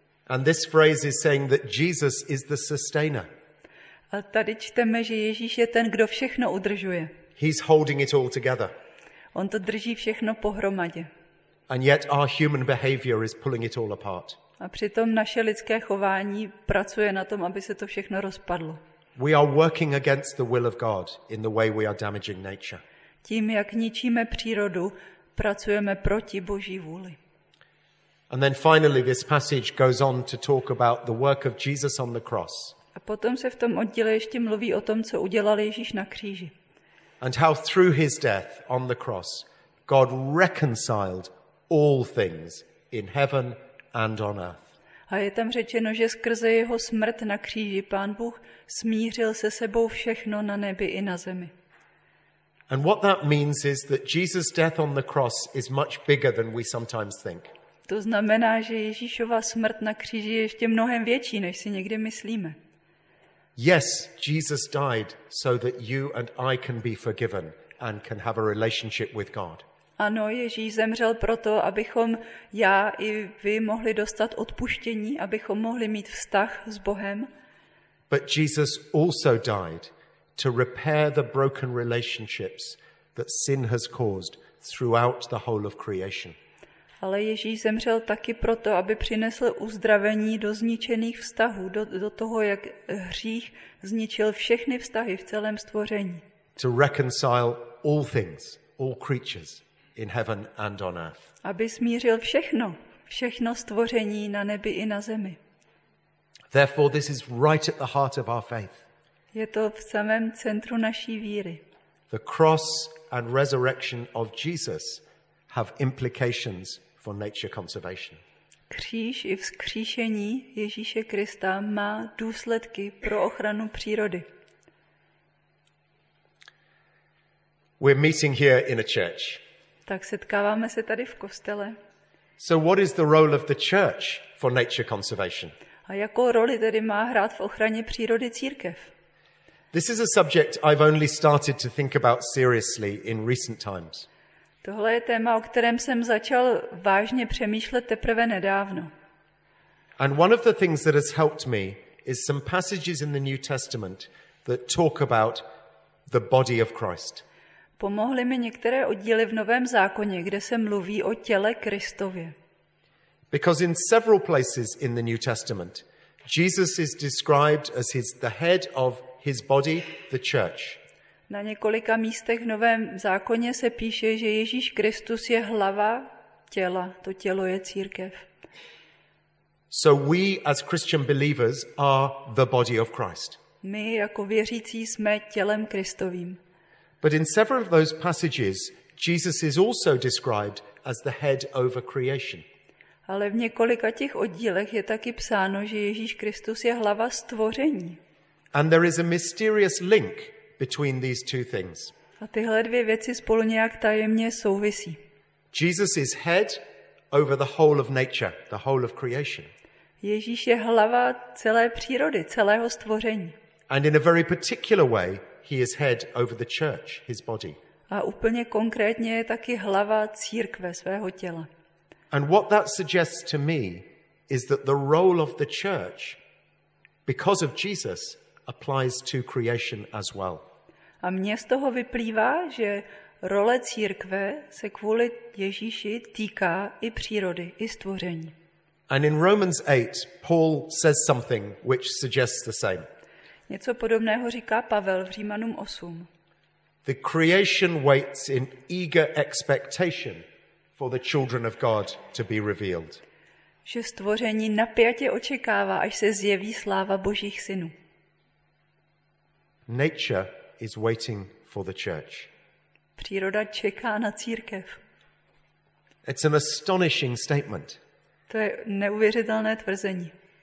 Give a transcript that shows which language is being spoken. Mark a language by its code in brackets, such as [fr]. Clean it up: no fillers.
[en] And this phrase is saying that Jesus is the sustainer. [cs] A tady čteme, že Ježíš je ten, kdo všechno udržuje. [en] He's holding it all together. [cs] On to drží všechno pohromadě. [en] And yet our human behavior is pulling it all apart. [cs] A přitom naše lidské chování pracuje na tom, aby se to všechno rozpadlo. [en] We are working against the will of God in the way we are damaging nature. [cs] Tím, jak ničíme přírodu, pracujeme proti Boží vůli. [en] And then finally this passage goes on to talk about the work of Jesus on the cross. [cs] A potom se v tom oddíle ještě mluví o tom, co udělal Ježíš na kříži. [en] And how through his death on the cross God reconciled all things in heaven and on earth. [cs] A je tam řečeno, že skrze jeho smrt na kříži Pán Bůh smířil se sebou všechno na nebi i na zemi. [en] And what that means is that Jesus' death on the cross is much bigger than we sometimes think. [cs] To znamená, že Ježíšova smrt na kříži je ještě mnohem větší, než si někdy myslíme. [en] Yes, Jesus died so that you and I can be forgiven and can have a relationship with God. [cs] Ano, Ježíš zemřel proto, abychom já i vy mohli dostat odpuštění, abychom mohli mít vztah s Bohem. [en] But Jesus also died to repair the broken relationships that sin has caused throughout the whole of creation. [cs] Ale Ježíš zemřel taky proto, aby přinesl uzdravení do zničených vztahů, do toho, jak hřích zničil všechny vztahy v celém stvoření. [en] To reconcile all things, all creatures in heaven and on earth. [cs] Aby smířil všechno stvoření na nebi i na zemi. [en] Therefore this is right at the heart of our faith. [cs] Je to v samém centru naší víry. [en] The cross and resurrection of Jesus have implications for nature conservation. [cs] Kříž i vzkříšení Ježíše Krista má důsledky pro ochranu přírody. [en] We're meeting here in a church. [cs] Tak setkáváme se tady v kostele. [en] So what is the role of the church for nature conservation? [cs] A jakou roli tedy má hrát v ochraně přírody církev? [en] This is a subject I've only started to think about seriously in recent times. [cs] Tohle je téma, o kterém jsem začal vážně přemýšlet teprve nedávno. [en] And one of the things that has helped me is some passages in the New Testament that talk about the body of Christ. [cs] Pomohly mi některé oddíly v Novém zákoně, kde se mluví o těle Kristově. [en] Because in several places in the New Testament, Jesus is described as the head of his body, the church. [cs] Na několika místech v Novém zákoně se píše, že Ježíš Kristus je hlava těla, to tělo je církev. [en] So we as Christian believers are the body of Christ. [cs] My jako věřící jsme tělem Kristovým. [en] But in several of those passages, Jesus is also described as the head over creation. [cs] Ale v několika těch oddílech je taky psáno, že Ježíš Kristus je hlava stvoření. [en] And there is a mysterious link between these two things. [cs] A tyhle dvě věci spolu nějak tajemně souvisí. [en] Jesus is head over the whole of nature, the whole of creation. [cs] Ježíš je hlava celé přírody, celého stvoření. [en] And in a very particular way, he is head over the church, his body. [cs] A úplně konkrétně je taky hlava církve, svého těla. [en] And what that suggests to me is that the role of the church, because of Jesus, applies to creation as well. [cs] A mně z toho vyplývá, že role církve se kvůli Ježíši týká i přírody, i stvoření. [en] And in Romans 8, Paul says something which suggests the same. [cs] Něco podobného říká Pavel v Římanům 8. [en] The creation waits in eager expectation for the children of God to be revealed. [cs] Že stvoření napjatě očekává, až se zjeví sláva Božích synů. [en] Nature is waiting for the church. [cs] Příroda čeká na církev. [en] It's an astonishing statement. [cs] To je neuvěřitelné tvrzení.